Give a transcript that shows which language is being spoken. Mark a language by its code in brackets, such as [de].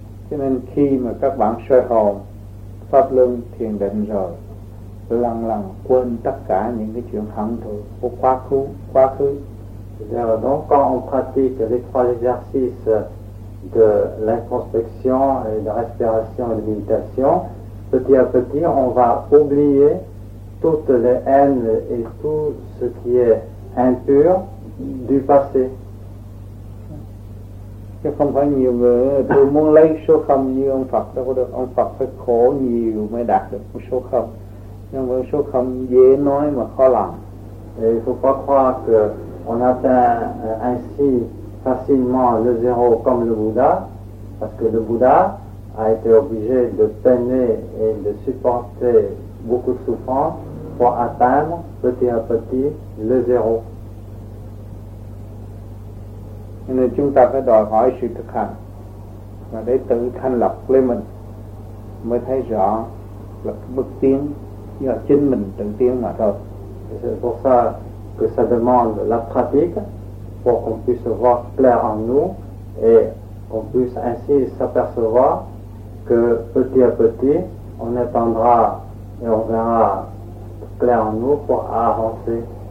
[vi] Cho nên khi mà các bạn soi hồn, pháp luân thiền định rồi, lần lần quên tất cả những cái chuyện hận thù của quá khứ. [fr] Donc quand on pratique les trois exercices de l'introspection et de respiration et de méditation, petit à petit, on va oublier toutes les haines et tout ce qui est impur du passé. [vi] Chứ không phải nhiều người, tôi muốn lấy số không như ông Phật đâu có được. Ông Phật phải khổ nhiều mới đạt được số không. Nhưng mà số không dễ nói mà khó làm. [fr] Il faut pas croire que on atteint ainsi facilement le zéro comme le Bouddha, parce que le Bouddha a été obligé de peiner et de supporter beaucoup de souffrances pour atteindre petit à petit le zéro. [vi] Nên chúng ta phải đòi hỏi sự thực hành và để tự thanh lọc lên mình mới thấy rõ là bước tiến do chính mình tự tiến mà thôi. [fr] C'est pour ça que ça demande la pratique pour qu'on puisse voir clair en nous et qu'on puisse ainsi s'apercevoir que petit à petit on attendra et on verra clair en nous pour avancer.